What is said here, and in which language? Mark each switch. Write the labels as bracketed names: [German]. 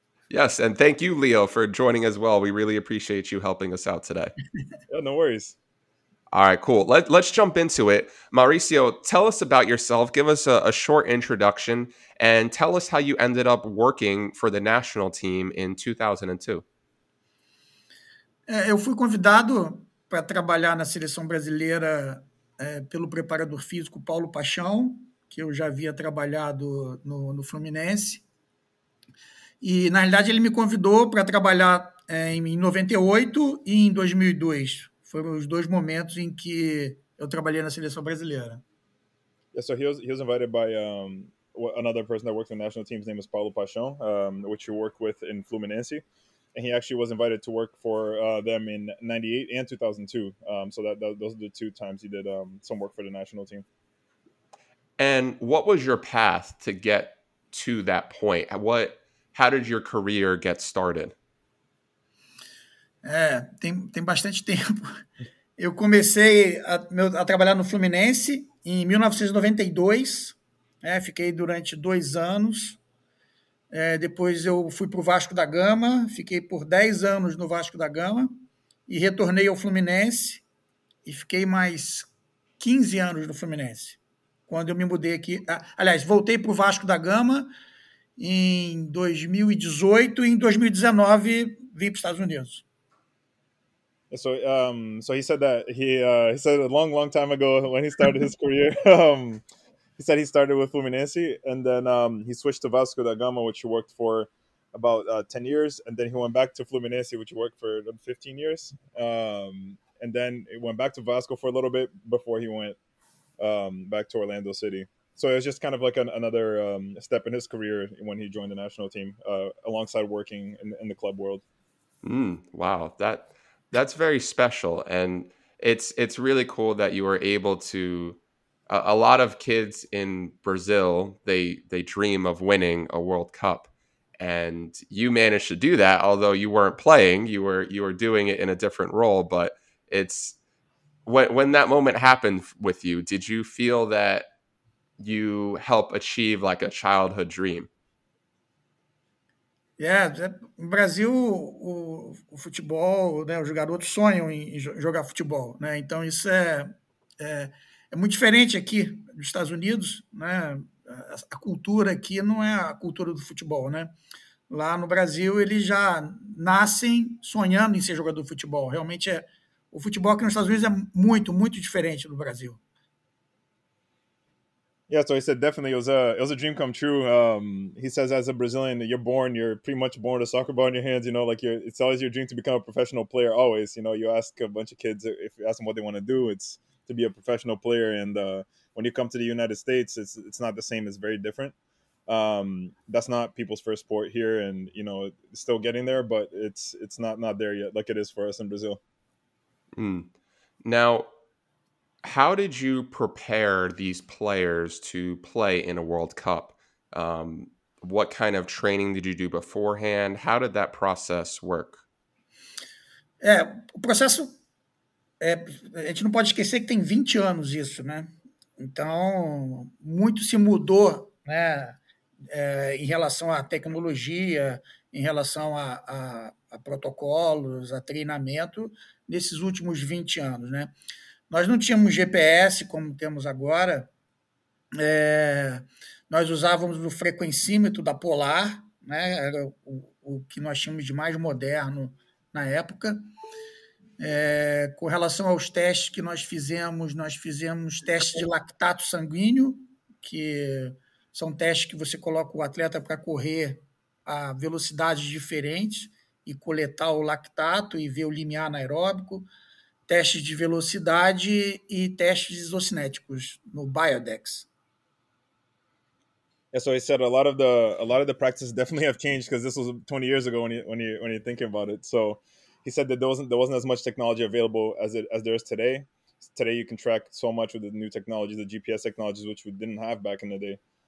[English] Yes, and thank you, Leo, for joining as well. We really appreciate you helping us out today. Yeah, no worries. All right, cool. Let's jump into it. Mauricio, tell us about yourself. Give us a short introduction and tell us how you ended up working for the national team in 2002. [Portuguese] Eu fui convidado para trabalhar na seleção brasileira pelo preparador físico Paulo Paixão, que eu já havia trabalhado no Fluminense. E, na realidade, ele me convidou para trabalhar em 98 e em 2002. Foram os dois momentos em que eu trabalhei na seleção brasileira. [English] Yeah, so he was invited by another person that works on the national team. His name is Paulo Paixão, which you work with in Fluminense. And he actually was invited to work for them in 98 and 2002. So those are the two times he did some work for the national team. And what was your path to get to that point? How did your career get started? [Portuguese] Tem bastante tempo. Eu comecei a trabalhar no Fluminense em 1992. Fiquei durante 2 anos. Depois eu fui para o Vasco da Gama, fiquei por 10 anos no Vasco da Gama e retornei ao Fluminense e fiquei mais 15 anos no Fluminense, quando eu me mudei aqui. Aliás, voltei para o Vasco da Gama em 2018 e em 2019 vim para os Estados Unidos. [English] So he said that he said a long, long time ago when he started his career. He said he started with Fluminense, and then he switched to Vasco da Gama, which he worked for about 10 years. And then he went back to Fluminense, which he worked for 15 years. And then he went back to Vasco for a little bit before he went back to Orlando City. So it was just kind of like another step in his career when he joined the national team, alongside working in the club world. Wow, that's very special. And it's really cool that you were able to... A lot of kids in Brazil, they dream of winning a World Cup, and you managed to do that, although you weren't playing, you were doing it in a different role. But it's when that moment happened with you, did you feel that you helped achieve like a childhood dream? [Portuguese] Yeah, no Brasil, o futebol, né, os garotos sonham em jogar futebol, né? Então isso é muito diferente aqui nos Estados Unidos, né? A cultura aqui não é a cultura do futebol, né? Lá no Brasil, eles já nascem sonhando em ser jogador de futebol. Realmente, o futebol aqui nos Estados Unidos é muito, muito diferente do Brasil. [English] Yeah, so he said definitely it was a dream come true. He says as a Brazilian, you're pretty much born with a soccer ball in your hands. You know, like it's always your dream to become a professional player. Always, you know, you ask a bunch of kids, if you ask them what they want to do, it's to be a professional player. And when you come to the United States, it's not the same. It's very different. That's not people's first sport here, and you know, it's still getting there, but it's not there yet, like it is for us in Brazil. Now, How did you prepare these players to play in a World Cup? What kind of training did you do beforehand? How did that process work? [Portuguese] É, o processo, é, a gente não pode esquecer que tem 20 anos isso, né? Então, muito se mudou, né? É, em relação à tecnologia, em relação a protocolos, a treinamento, nesses últimos 20 anos, né? Nós não tínhamos GPS como temos agora. É, nós usávamos o frequencímetro da Polar, né? Era o que nós tínhamos de mais moderno na época. É, com relação aos testes que nós fizemos teste de lactato sanguíneo, que são testes que você coloca o atleta para correr a velocidades diferentes e coletar o lactato e ver o limiar anaeróbico, testes de velocidade e testes isocinéticos no Biodex. [English] Yeah, so I said a lot of the practices definitely have changed because this was 20 years ago when you're thinking about it. So he said that there wasn't as much technology available as there is today. Today you can track so much with the new technologies, the GPS technologies, which we didn't have back in the day.